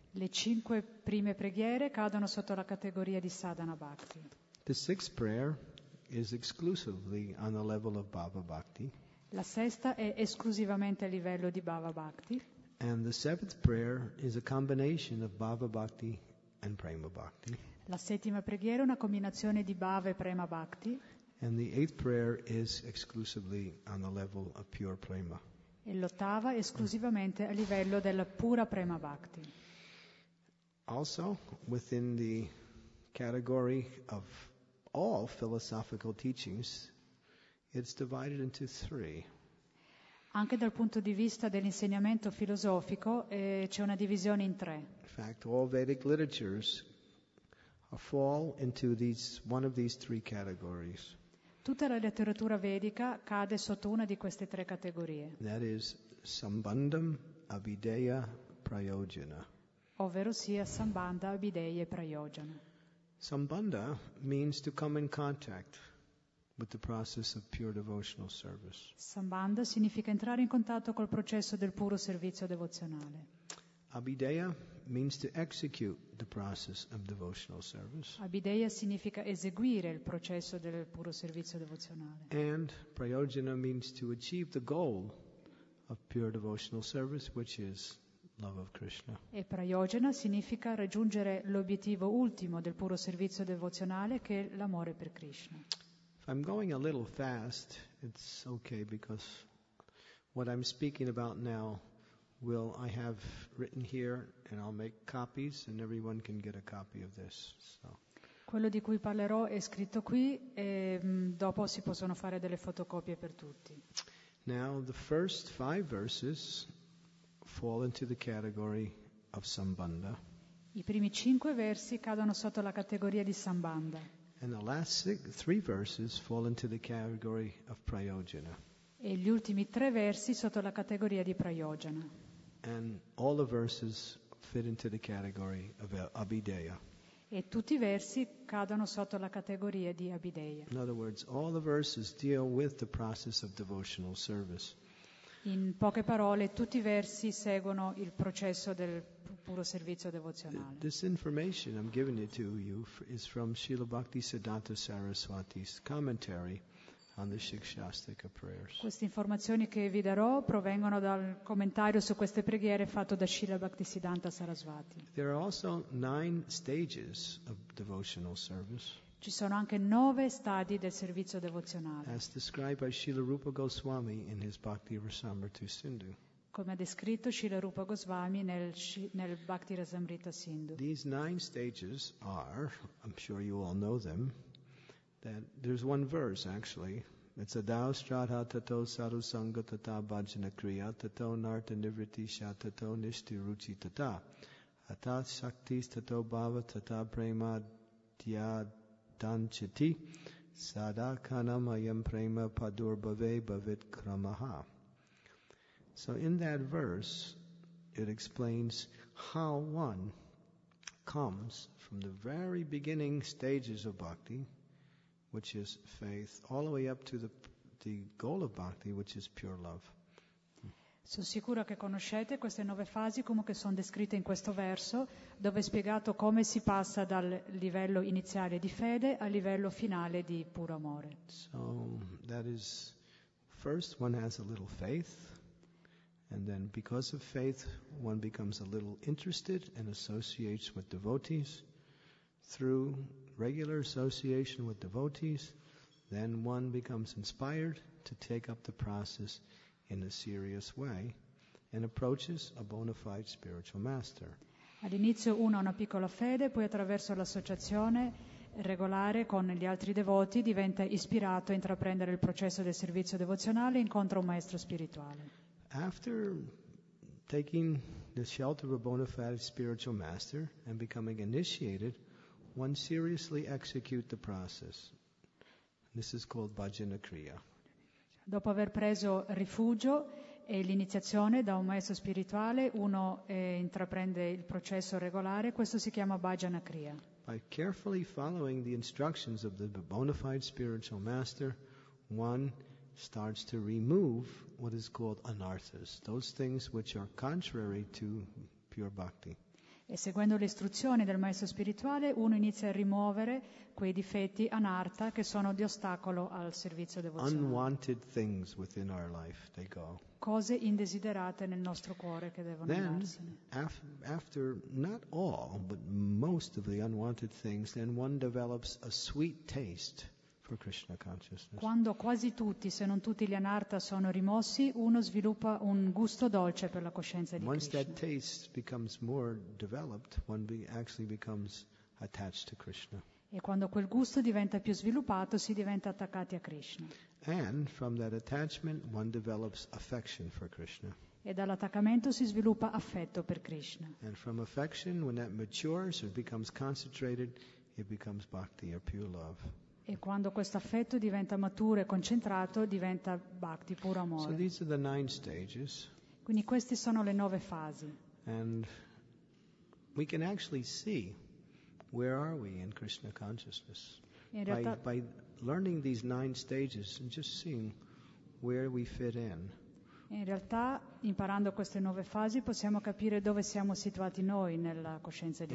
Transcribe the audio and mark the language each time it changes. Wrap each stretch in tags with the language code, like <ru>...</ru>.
<it>Le cinque prime preghiere cadono sotto la categoria di sadhana bhakti.</it> <en>The sixth prayer is exclusively on the level of bhava bhakti.</en> <it>La sesta è esclusivamente a livello di bhava bhakti.</it> <en>And the seventh prayer is a combination of bhava bhakti and prema bhakti.</en> <it>La settima preghiera è una combinazione di bhava e prema bhakti.</it> <en>And the eighth prayer is exclusively on the level of pure prema.</en> <it>E l'ottava è esclusivamente a livello della pura prema bhakti.</it> <en>Also within the category of all philosophical teachings, it's divided into three.</en> <it>Anche dal punto di vista dell'insegnamento filosofico, c'è una divisione in tre.</it> <en>In fact, all Vedic literatures fall into one of these three categories.</en> <it>Tutta la letteratura vedica cade sotto una di queste tre categorie.</it> <en>That is sambandham, avideya, prayojana.</en> <it>Ovvero sia sambandha, avideya e prayojana.</it> <en>Sambandha means to come in contact with the process of pure devotional service.</en> <it>Sambandha significa entrare in contatto col processo del puro servizio devozionale.</it> <en>Abideya means to execute the process of devotional service.</en> <it>Abideya significa eseguire il processo del puro servizio devozionale.</it> <en>And prayojana means to achieve the goal of pure devotional service, which is love of Krishna.</en> <it>E prayojana significa raggiungere l'obiettivo ultimo del puro servizio devozionale, che è l'amore per Krishna.</it> <en>If I'm going a little fast, it's okay, because what I'm speaking about now will I have written here, and I'll make copies, and everyone can get a copy of this. So.</en> <it>Quello di cui parlerò è scritto qui, e dopo si possono fare delle fotocopie per tutti.</it> <en>Now the first five verses fall into the category of sambandha.</en> <it>I primi cinque versi cadono sotto la categoria di sambandha.</it> <en>And the last three verses fall into the category of prayojana.</en> <it>E gli ultimi tre versi sotto la categoria di prayojana.</it> <en>And all the verses fit into the category of avideya.</en> <it>E tutti i versi cadono sotto la categoria di avideya.</it> <en>In other words, all the verses deal with the process of devotional service.</en> <it>In poche parole, tutti i versi seguono il processo del puro servizio devozionale.</it> <en>This information I'm giving it to you is from Srila Bhaktisiddhanta Saraswati's commentary on the Shikshastika prayers.</en> <it>Queste informazioni che vi darò provengono dal commentario su queste preghiere fatto da Srila Bhaktisiddhanta Saraswati.</it> <en>There are also nine stages of devotional service.</en> <it>Ci sono anche nove stadi del servizio devozionale.</it> <en>As described by Srila Rupa Goswami in his Bhakti Rasamrita Sindhu.</en> <it>Come ha descritto Srila Rupa Goswami nel Bhakti Rasamrita Sindhu.</it> <en>These nine stages are, I'm sure you all know them, that there's one verse actually</en> <sa>It's a dao strata tato sadhu sangha tata bhajana kriya tato narta nivriti sha tato nishti ruchi tata. Ata shaktis tato bhava tata prema dhya danchiti sada kanam ayam prema padur bhave bhavit kramaha.</sa> <en>So in that verse, it explains how one comes from the very beginning stages of bhakti, which is faith, all the way up to the goal of bhakti, which is pure love.</en> <it>Sono sicuro che conoscete queste nove fasi, comunque sono descritte in questo verso, dove è spiegato come si passa dal livello iniziale di fede al livello finale di puro amore.</it> <en>So that is, first one has a little faith. And then because of faith, one becomes a little interested and associates with devotees. Through regular association with devotees, then one becomes inspired to take up the process in a serious way and approaches a bona fide spiritual master.</en> <it>All'inizio uno ha una piccola fede, poi attraverso l'associazione regolare con gli altri devoti diventa ispirato a intraprendere il processo del servizio devozionale e incontra un maestro spirituale.</it> <en>After taking the shelter of a bona fide spiritual master and becoming initiated, one seriously executes the process. This is called bhajana kriya.</en> <it>Dopo aver preso rifugio e l'iniziazione da un maestro spirituale, uno intraprende il processo regolare, questo si chiama bhajana kriya.</it> <en>By carefully following the instructions of the bona fide spiritual master, one starts to remove what is called anarthas, those things which are contrary to pure bhakti.</en> <it>E seguendo le istruzioni del maestro spirituale, uno inizia a rimuovere quei difetti anartha che sono di ostacolo al servizio devozionale.</it> <en>Unwanted things within our life, they go.</en> <it>Cose indesiderate nel nostro cuore che devono andarsene.</it> <en>Then, after not all, but most of the unwanted things, then one develops a sweet taste.</en> <it>Quando quasi tutti, se non tutti gli anartha sono rimossi, uno sviluppa un gusto dolce per la coscienza di Krishna.</it> <en>Once that taste becomes more developed, one actually becomes attached to Krishna.</en> <it>E quando quel gusto diventa più sviluppato, si diventa attaccati a Krishna.</it> <en>And from that attachment, one develops affection for Krishna.</en> <it>E dall'attaccamento si sviluppa affetto per Krishna.</it> <en>And from affection, when that matures and becomes concentrated, it becomes bhakti or pure love.</en> <it>E quando questo affetto diventa maturo e concentrato, diventa bhakti, puro amore.</it> <en>So these are the nine stages.</en> <it>Quindi queste sono le nove fasi.</it> <en>And we can actually see where are we in Krishna consciousness.</en> <it>In realtà,</it> <en>by learning these nine stages and just seeing where we fit in.</en> <it>In realtà, imparando queste nove fasi, possiamo capire dove siamo situati noi nella coscienza di</it>